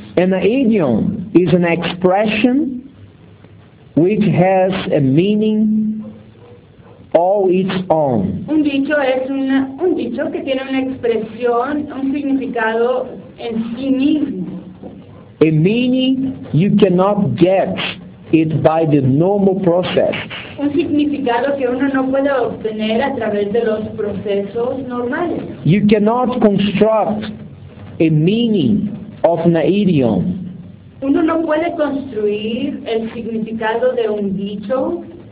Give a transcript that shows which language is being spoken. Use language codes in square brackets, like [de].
[en] An idiom is an expression which has a meaning all its own. [es] Un dicho es un dicho que tiene una expresión, un significado en sí mismo. [en] A meaning you cannot get it by the normal process. [es] Un significado que uno no puede obtener a través de los procesos normales. [en] You cannot construct a meaning of an idiom. [es] Uno no puede construir el significado de un dicho